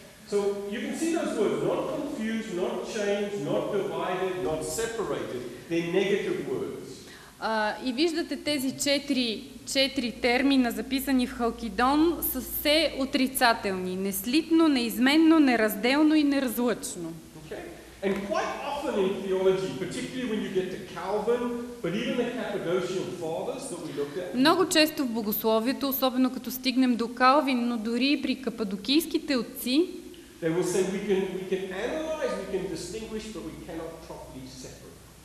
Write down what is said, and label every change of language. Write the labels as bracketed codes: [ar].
[en] So you can see those words, not confused, not changed, not divided, not separated, they're negative words. [bg] И виждате тези четири термина, записани в Халкидон, са все отрицателни. Неслитно, неизменно, неразделно и неразлъчно. [en] Okay. And quite often in theology, particularly when you get to Calvin, but even the Cappadocian fathers that we looked at. [bg] Много често в богословието, особено като стигнем до Калвин, но дори и при кападокийските отци, [en] they will say we can analyze, we can distinguish, but we cannot properly separate.